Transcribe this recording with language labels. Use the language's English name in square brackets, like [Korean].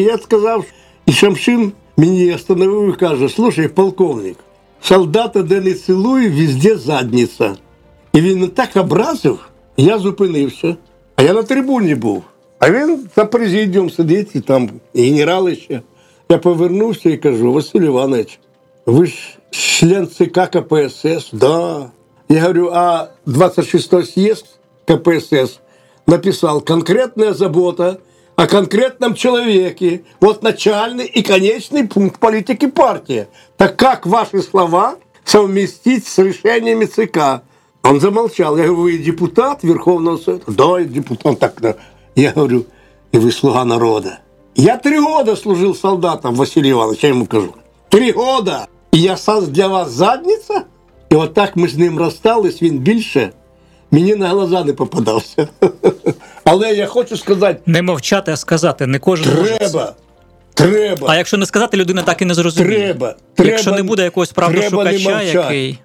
[Ukrainian] Я сказав, і Шамшин мені остановив і каже, слушай, полковник, солдата, де не цілую, везде задниця. І він так образив, я зупинився. А я на трибуні був. А він за президіум сидить, і там генерали ще. Я повернувся і кажу, Василь Іванович, ви ж член ЦК КПСС? Да. [Russian] Я говорю, а 26-й съезд КПСС написав конкретна забота о конкретном человеке. Вот начальный и конечный пункт политики партии. Так как ваши слова совместить с решениями ЦК? Он замолчал. Я говорю, вы депутат Верховного Совета? Да, я депутат. Я говорю, и вы слуга народа. Я 3 года служил солдатом, Василий Иванович, я ему кажу. 3 года! И я сам для вас задница? И вот так мы с ним расстались, [Ukrainian] він більше мені на глаза не попадався. Але я хочу сказати... Не мовчати, а сказати. Не кожен треба. Може. Треба. А якщо не сказати, людина так і не зрозуміє. Треба. Якщо не буде якогось правдошукача, який...